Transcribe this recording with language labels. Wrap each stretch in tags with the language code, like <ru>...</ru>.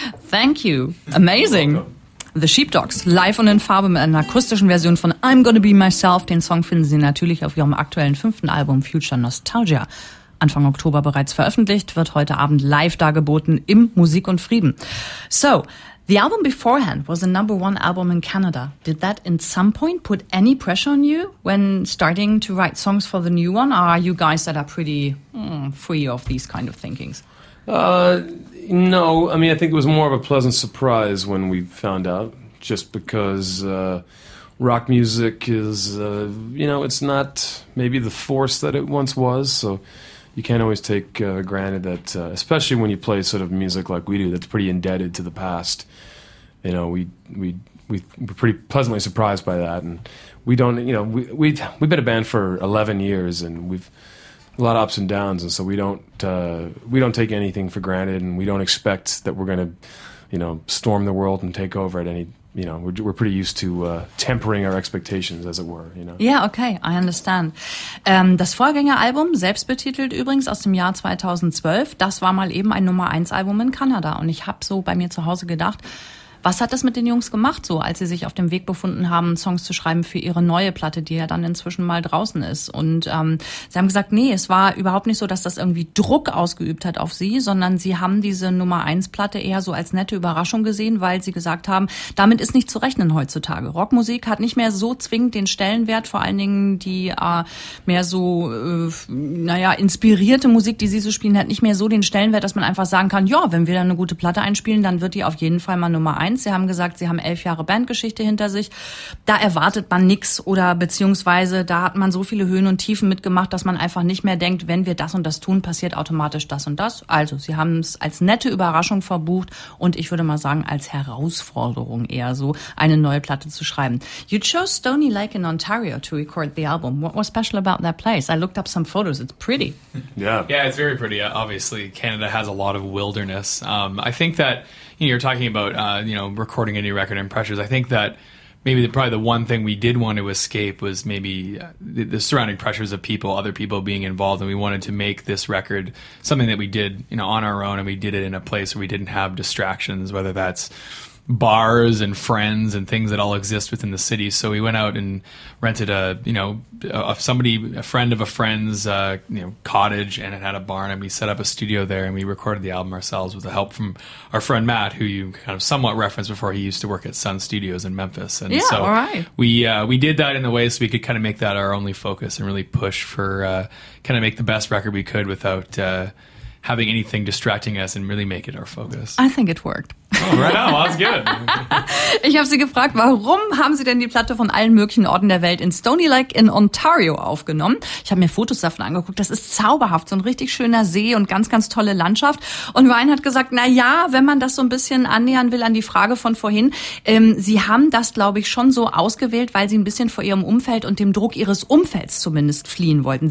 <en>Thank you. Amazing.</en> <de>The Sheepdogs, live und in Farbe mit einer akustischen Version von I'm Gonna Be Myself. Den Song finden Sie natürlich auf Ihrem aktuellen 5. Album Future Nostalgia. Anfang Oktober bereits veröffentlicht, wird heute Abend live dargeboten im Musik und Frieden.</de> <en>So, the album beforehand was a number one album in Canada. Did that in some point put any pressure on you when starting to write songs for the new one? Or are you guys that are pretty free of these kind of thinkings? No, I mean, I think it was more of a pleasant surprise when we found out, just because rock music is, you know, it's not maybe the force that it once was, so you can't always take granted that, especially when you play sort of music like we do, that's pretty indebted to the past. You know, we're pretty pleasantly surprised by that, and we don't. You know, we've been a band for 11 years, and we've a lot of ups and downs, and so we don't take anything for granted, and we don't expect that we're going to, you know, storm the world and take over at any. You know, we're pretty used to tempering our expectations, as it were, you know. Yeah, okay, I understand.</en> <de>Das Vorgängeralbum, selbstbetitelt übrigens, aus dem Jahr 2012, das war mal eben ein Nummer-1-Album in Kanada. Und ich habe so bei mir zu Hause gedacht, was hat das mit den Jungs gemacht, so als sie sich auf dem Weg befunden haben, Songs zu schreiben für ihre neue Platte, die ja dann inzwischen mal draußen ist. Und sie haben gesagt, nee, es war überhaupt nicht so, dass das irgendwie Druck ausgeübt hat auf sie, sondern sie haben diese Nummer-1-Platte eher so als nette Überraschung gesehen, weil sie gesagt haben, damit ist nicht zu rechnen heutzutage. Rockmusik hat nicht mehr so zwingend den Stellenwert, vor allen Dingen die mehr so, inspirierte Musik, die sie so spielen, hat nicht mehr so den Stellenwert, dass man einfach sagen kann, ja, wenn wir da eine gute Platte einspielen, dann wird die auf jeden Fall mal Nummer 1. Sie haben gesagt, sie haben 11 Jahre Bandgeschichte hinter sich. Da erwartet man nichts oder beziehungsweise da hat man so viele Höhen und Tiefen mitgemacht, dass man einfach nicht mehr denkt, wenn wir das und das tun, passiert automatisch das und das. Also, sie haben es als nette Überraschung verbucht und ich würde mal sagen, als Herausforderung eher so, eine neue Platte zu schreiben.</de> <en>You chose Stoney Lake in Ontario to record the album. What was special about that place? I looked up some photos. It's pretty. Yeah, it's very pretty. Obviously, Canada has a lot of wilderness. I think that, you know, you're talking about, you know, recording a new record and pressures. I think that maybe probably the one thing we did want to escape was maybe the surrounding pressures of people, other people being involved. And we wanted to make this record something that we did, you know, on our own. And we did it in a place where we didn't have distractions, whether that's bars and friends and things that all exist within the city. So we went out and rented a friend of a friend's cottage, and it had a barn, and we set up a studio there and we recorded the album ourselves with the help from our friend Matt, who you kind of somewhat referenced before. He used to work at Sun Studios in Memphis, and yeah, so all right. we did that in the way so we could kind of make that our only focus and really push for kind of make the best record we could without having anything distracting us and really make it our focus. I think it worked. Oh, right now, that's good.</en> <de>Ich habe sie gefragt, warum haben sie denn die Platte von allen möglichen Orten der Welt in Stony Lake in Ontario aufgenommen? Ich habe mir Fotos davon angeguckt. Das ist zauberhaft, so ein richtig schöner See und ganz, ganz tolle Landschaft. Und Ryan hat gesagt, na ja, wenn man das so ein bisschen annähern will an die Frage von vorhin, sie haben das, glaube ich, schon so ausgewählt, weil sie ein bisschen vor ihrem Umfeld und dem Druck ihres Umfelds zumindest fliehen wollten.</de>